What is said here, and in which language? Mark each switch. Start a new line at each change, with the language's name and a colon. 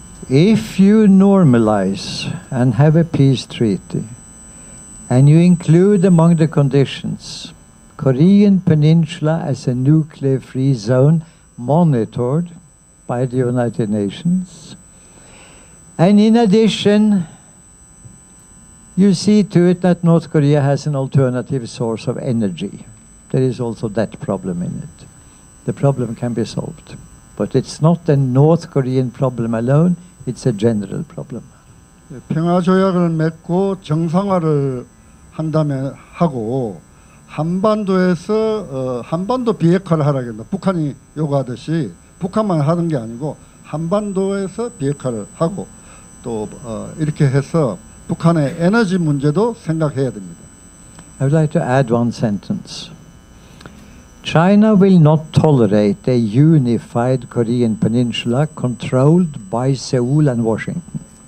English: If you normalize and have a peace treaty and you include among the conditions Korean Peninsula as a nuclear-free zone monitored by the United Nations, and in addition, you see to it that North Korea has an alternative source of energy. There is also that problem in it. The problem can be solved. But it's not a North Korean problem alone. It's a general problem.
Korean: 평화조약을 맺고 정상화를 한다면 하고 한반도에서 한반도 비핵화를 하라겠다. 북한이 요구하듯이 북한만 하는 게 아니고 한반도에서 비핵화를 하고 또 이렇게 해서 북한의 에너지 문제도 생각해야 됩니다.
English: I would like to add one sentence. China will not tolerate a unified Korean Peninsula controlled by Seoul and Washington.